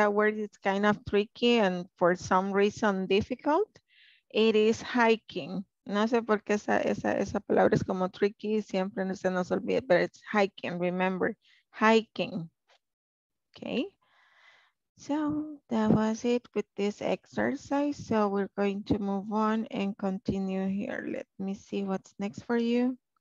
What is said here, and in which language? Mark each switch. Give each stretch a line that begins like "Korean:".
English: That word is kind of tricky and for some reason difficult. It is hiking.
Spanish: No sé por qué esa palabra es como tricky. Siempre no se nos olvida,
English: but it's hiking. Remember, hiking. Okay. So that was it with this exercise. So we're going to move on and continue here. Let me see what's next for you.